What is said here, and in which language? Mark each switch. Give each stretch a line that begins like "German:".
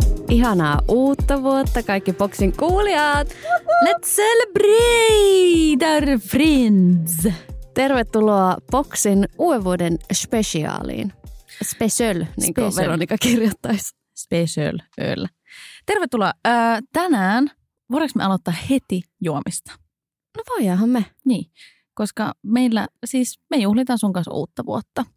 Finnish: Ihanaa uutta vuotta kaikki boxin kuulijat.
English: Let's celebrate our friends.
Finnish: Tervetuloa boxin uuden vuoden spesiaaliin. Special, niin kuin Veronika kirjoittaisi. Special öl. Tervetuloa. Tänään voidaanko me aloittaa heti juomista? No voidaanhan me. Niin, koska meillä, siis me juhlitaan sun kanssa uutta vuotta.